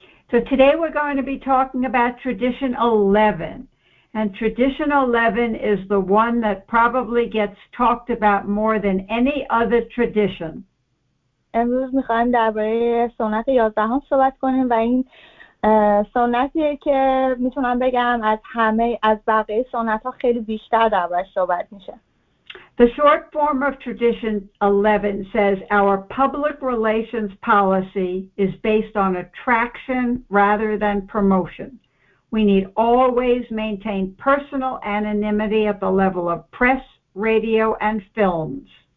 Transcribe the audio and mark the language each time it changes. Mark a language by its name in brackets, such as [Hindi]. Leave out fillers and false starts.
[English] So today we're going to be talking about Tradition 11. And Tradition 11 is the one that probably gets talked about more than any other tradition. [Persian] امروز می‌خوایم درباره سنت 11 هم صحبت کنیم و این سنتیه که میتونم بگم از همه از بقیه سنت‌ها خیلی بیشتر درباره صحبت میشه. [English] The short form of Tradition 11 says our public relations policy is based on attraction rather than promotion. We need always maintain personal anonymity at the level of press, radio, and films.